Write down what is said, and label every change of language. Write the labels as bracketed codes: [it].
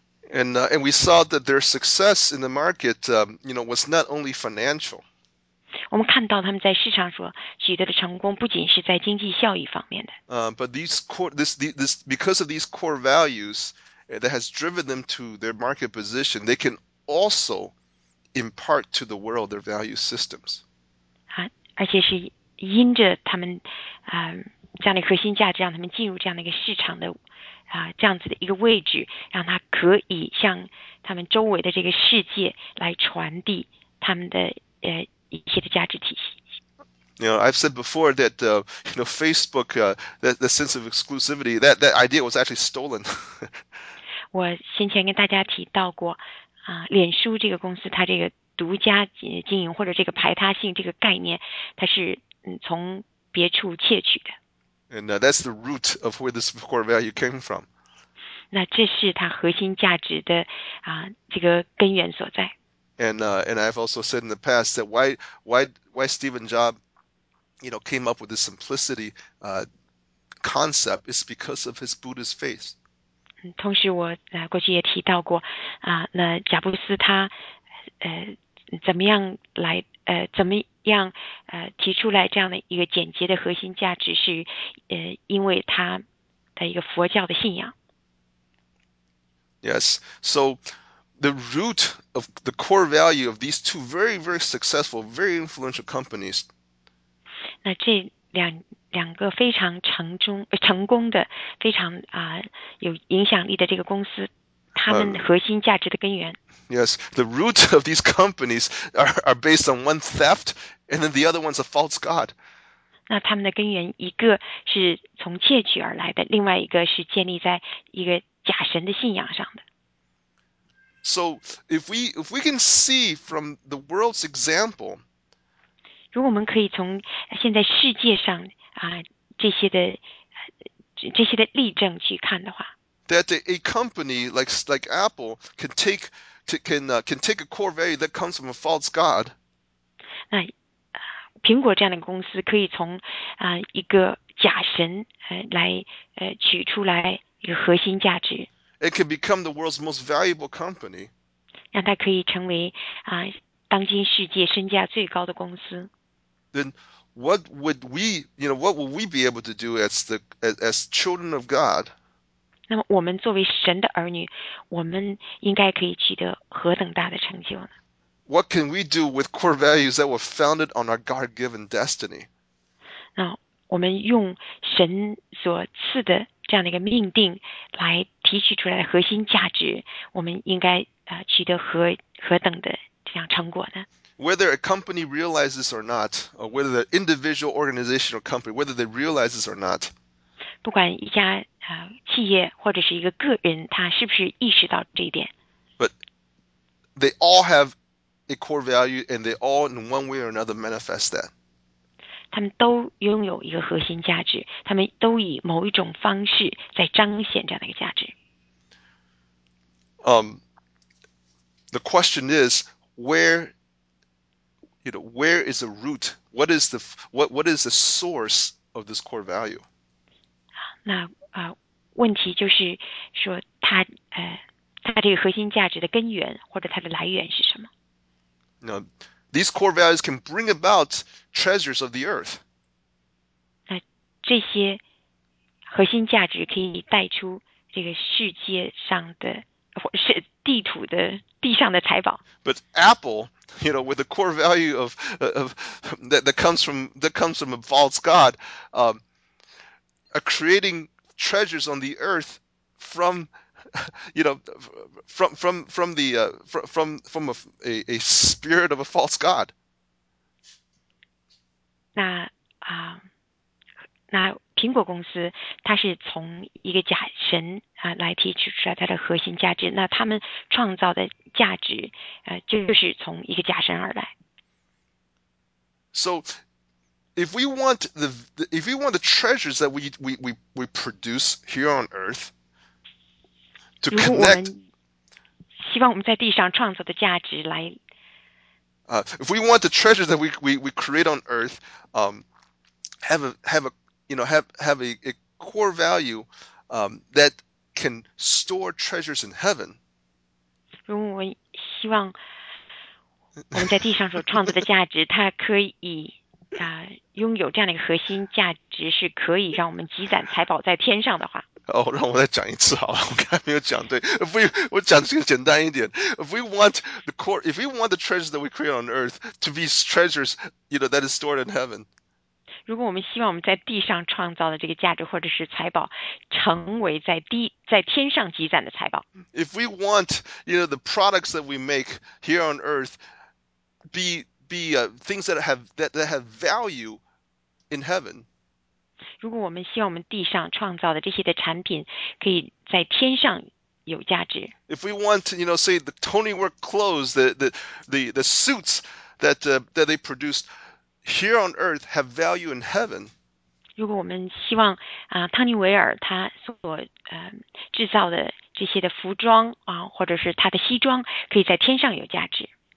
[en] And we saw that their success in the market, was not only financial. [zh] 我们看到他们在市场所取得的成功，不仅是在经济效益方面的。 [en] But these core this the, this because of these core values that has driven them to their market position, they can also impart to the world their value systems. [zh] 而且是因着他们这样的核心价值，让他们进入这样的一个市场的这样子的一个位置，让他可以向他们周围的这个世界来传递他们的一些的价值体系。 [en] I've said before that Facebook, that sense of exclusivity, that idea was actually stolen. [zh] 我先前跟大家提到过脸书这个公司，它这个独家经营或者这个排他性这个概念，它是从别处窃取的。 [en] And that's the root of where this core value came from. [zh] 那这是它核心价值的这个根源所在。 [en] And I've also said in the past that why Steven Jobs came up with the simplicity concept is because of his Buddhist faith. [zh] 同时我过去也提到过那贾布斯他怎么样来怎么样提出来这样的一个简洁的核心价值是因为他的一个佛教的信仰。 [en] Yes, so the root of the core value of these two very, very successful, very influential companies. [zh] 那这两个非常成功的、非常有影响力的这个公司，他们核心价值的根源。 [en] Yes, the root of these companies are based on one theft, and then the other one's a false god. [zh] 那他们的根源，一个是从窃取而来的，另外一个是建立在一个假神的信仰上的。 [en] So if we can see from the world's example, [zh] 如果我们可以从现在世界上这些的例证去看的话， [en] that a company like Apple can take to, can can take a core value that comes from a false god. [zh] 那苹果这样的公司可以从一个假神来取出来一个核心价值， [en] It can become the world's most valuable company. [zh] 让它可以成为当今世界身价最高的公司。 [en] Then what would we be able to do as children of God? [zh] 那么，我们作为神的儿女，我们应该可以取得何等大的成就呢？ [en] What can we do with core values that were founded on our God-given destiny? [zh] 那我们用神所赐的这样的一个命定来提取出来的核心价值，我们应该取得何等的这样成果呢？ [en] Whether a company realizes or not, or whether the individual organization or company, whether they realizes or not, [zh] 不管一家企业或者是一个个人，他是不是意识到这一点？ [en] they all have a core value and they all, in one way or another, manifest that. [zh] 他们都拥有一个核心价值，他们都以某一种方式在彰显这样的一个价值。 [en] The question is, where is the root? What is the source of this core value? [zh] 那问题就是说它这个核心价值的根源或者它的来源是什么？ [en] Now, these core values can bring about treasures of the earth. [zh] 这些核心价值可以带出这个世界上的，或是地图的地上的财宝。 [en] But Apple, with the core value of that comes from a false god, are creating treasures on the earth from a spirit of a false god. [zh] 那苹果公司，它是从一个假神来提取出来它的核心价值，那他们创造的价值，就是从一个假神而来。 [en] So, if we want the treasures that we produce here on Earth to [zh] 如果我 [en] connect, [zh] 们希望我们在地上创造的价值来。 [en] if we want the treasures that we create on Earth, have a core value, that can store treasures in heaven. [zh] 如果我希望我们在地上所创造的价值，它可以拥有这样的一个核心价值，是可以让我们积攒财宝在天上的话。哦，让我再讲一次好了，我刚才没有讲对。我讲的这个简单一点。 [en] If we want the treasures that we create on earth to be treasures, that is stored in heaven. [zh] 如果我们希望我们在地上创造的这个价值或者是财宝，成为在天上积攒的财宝。 [en] If we want, the products that we make here on earth be things that have value in heaven. [zh] 如果我们希望我们地上创造的这些的产品可以在天上有价值。 [en] If we want, say the Tony Work clothes, the suits that they produced here on earth have value in heaven. [zh] 如果我们希望汤尼维尔他所制造的这些的服装或者是他的西装可以在天上有价值。